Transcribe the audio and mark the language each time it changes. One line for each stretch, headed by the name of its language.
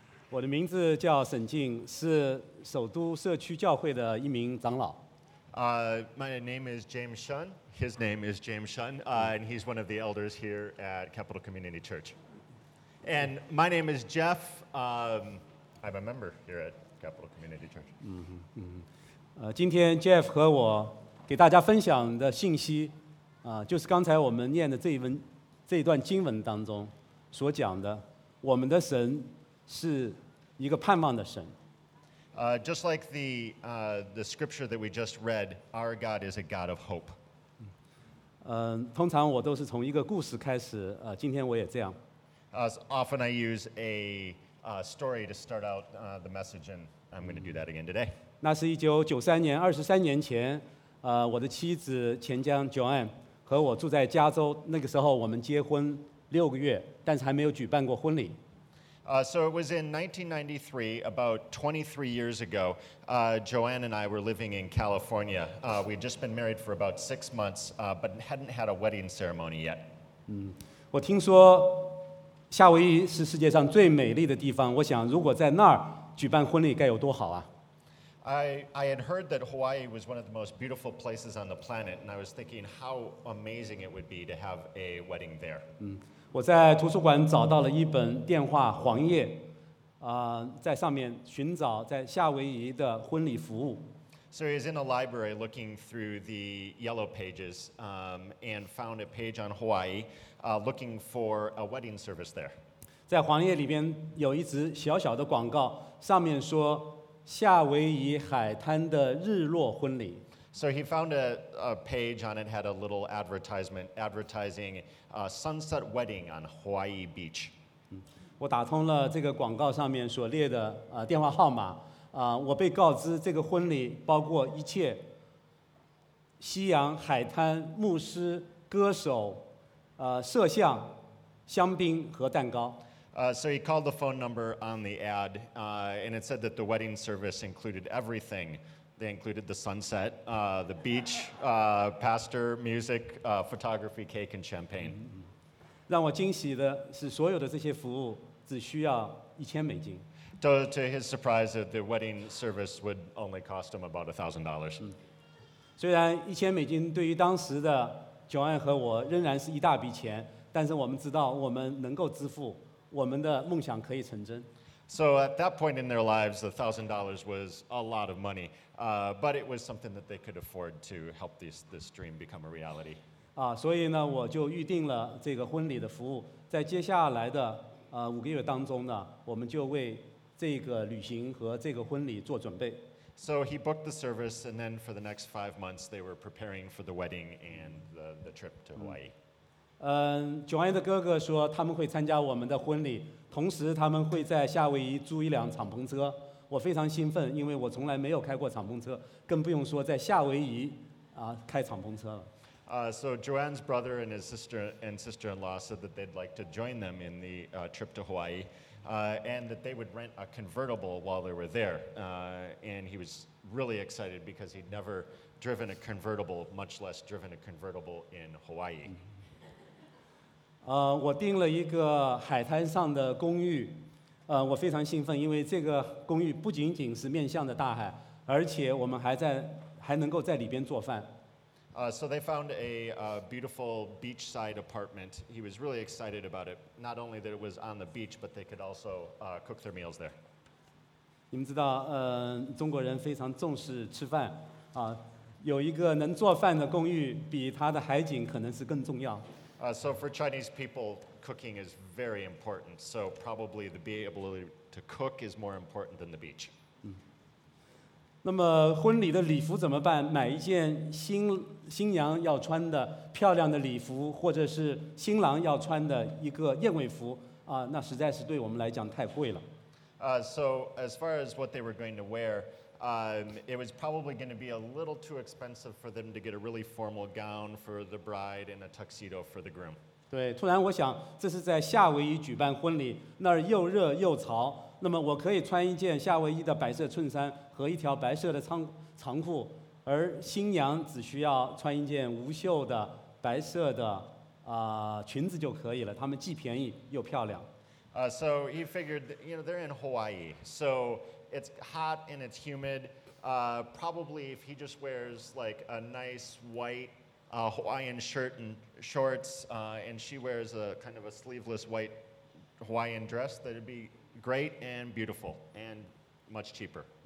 Chinese: 我的名字叫沈静，是首都社区教会的一名长老。
English: My name is James Shun. His name is James Shun, and he's one of the elders here at Capital Community Church. And my name is Jeff. I'm a member here at Capital Community Church.
Chinese: 今天 Jeff 和我给大家分享的信息，就是刚才我们念的这一段经文当中所讲的，我们的神是一个盼望的神。
English: Just like the scripture that we just read, our God is a God of hope.
Chinese: 通常我都是从一个故事开始，今天我也这样。
English: Often I use a story to start out the message, and I'm going to do that again today.
Chinese: 那是1993年，23年前，我的妻子钱江 Joanne 和我住在加州，那个时候我们结婚六个月，但是还没有举办过婚礼。
English: So it was in 1993, about 23 years ago, Joanne and I were living in California. We had just been married for about 6 months, but hadn't had a wedding ceremony yet.
Chinese: 我听说夏威夷是世界上最美丽的地方，我想如果在那儿举办婚礼该有多好啊。
English: I had heard that Hawaii was one of the most beautiful places on the planet, and I was thinking how amazing it would be to have a wedding there.
Chinese: 我在图书馆找到了一本电话黄页，在上面寻找在夏威夷的婚礼服务。
English: So he was in a library looking through the yellow pages, and found a page on Hawaii, looking for a wedding service there.
Chinese: 在黄页里边有一则小小的广告，上面说夏威夷海滩的日落婚礼。
English: So he found a page on it, had a little advertisement advertising a sunset wedding on Hawaii Beach.
Chinese: 我打通了这个广告上面所列的电话号码，我被告知这个婚礼包括一切，夕阳、海滩、牧师、歌手、摄像、香槟和蛋糕。
English: So he called the phone number on the ad, and it said that the wedding service included everything. They included the sunset, the beach, pastor, music, photography, cake, and champagne.
Chinese: 让我惊喜的是，所有的这些服务只需要$1,000。
English: To his surprise, the wedding service would only cost him about $1,000.
Chinese: 虽然$1,000对于当时的 Joanne 和我仍然是一大笔钱，但是我们知道我们能够支付。我们的梦想可以成真。
English: So at that point in their lives, $1,000 was a lot of money, but it was something that they could afford to help this dream become a reality.
Chinese: 所以呢，我就预定了这个婚礼的服务。在接下来的五个月当中呢，我们就为这个旅行和这个婚礼做准备。
English: So he booked the service, and then for the next 5 months, they were preparing for the wedding and the trip to Hawaii.
Chinese: Joanne 的哥哥说他们会参加我们的婚礼，同时他们会在夏威夷租一辆敞篷车。我非常兴奋，因为我从来没有开过敞篷车，更不用说在夏威夷开敞篷车了。
English: So Joanne's brother and his sister-in-law said that they'd like to join them in the trip to Hawaii, and that they would rent a convertible while they were there. And he was really excited because he'd never driven a convertible, much less driven a convertible in Hawaii.
Chinese: 我订了一个海滩上的公寓，我非常兴奋，因为这个公寓不仅仅是面向的大海，而且我们还能够在里边做饭。
English: So they found a beautiful beachside apartment. He was really excited about it. Not only that it was on the beach, but they could also cook their meals there.
Chinese: 你们知道，中国人非常重视吃饭，有一个能做饭的公寓，比它的海景可能是更重要。
English: So for Chinese people, cooking is very important. So probably the ability to cook is more important than the beach.
Chinese: 那么婚礼的礼服怎么办？买一件新娘要穿的漂亮的礼服，或者是新郎要穿的一个燕尾服，那实在是对我们来讲太贵了。
English: So as far as what they were going to wear, it was probably going to be a little too expensive for them to get a really formal gown for the bride and a tuxedo for the groom.
Chinese: 对，突然我想，这是在夏威夷举办婚礼，那儿又热又潮，那么我可以穿一件夏威夷的白色衬衫和一条白色的长裤，而新娘只需要穿一件无袖的白色的裙子就可以了，他们既便宜又漂亮。
English: So he figured, you know, they're in Hawaii, so it's hot and it's humid. Probably if he just wears like a nice whiteHawaiian shirt and shorts, and she wears a kind of a sleeveless white Hawaiian dress, that'd be great and beautiful and much cheaper.